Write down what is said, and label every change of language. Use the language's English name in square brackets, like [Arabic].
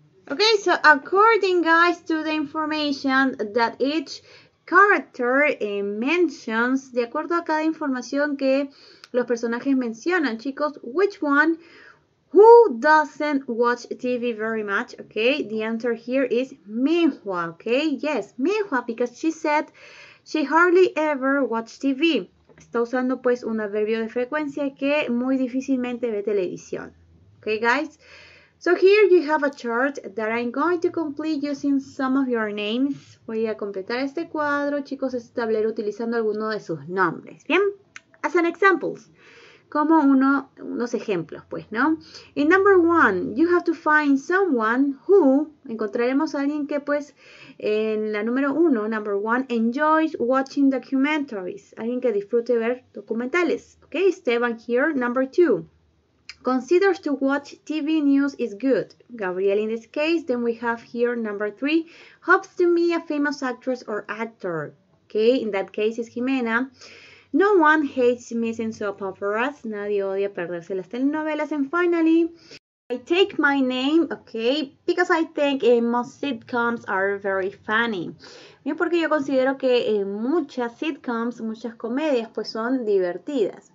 [English] Okay, so according, guys, to the information that each character mentions, [Spanish] de acuerdo a cada información que los personajes mencionan, [English] chicos, which one? Who doesn't watch TV very much, okay? The answer here is Minhua, okay? Yes, Minhua, because she said She hardly ever watched TV. [Spanish] Está usando pues un adverbio de frecuencia que muy difícilmente ve televisión. [English] Okay, guys? So here you have a chart that I'm going to complete using some of your names. [Spanish] Voy a completar este cuadro, chicos, este tablero utilizando alguno de sus nombres. Bien, [English] as an examples, [Spanish] como unos ejemplos, pues, ¿no? [English] In number one, you have to find someone who, [Spanish] encontraremos a alguien que, pues, en la número uno, [English] number one, enjoys watching documentaries. [Spanish] Alguien que disfrute ver documentales. [English] Okay, Esteban here, number two. Considers to watch TV news is good. Gabriel in this case. Then we have here number three. Hopes to meet a famous actress or actor. Okay, in that case is Jimena. No one hates missing soap operas. [Spanish] Nadie odia perderse las telenovelas. [English] And finally, I take my name, okay, because I think most sitcoms are very funny. [Spanish] Bien, porque yo considero que muchas sitcoms, muchas comedias, pues son divertidas.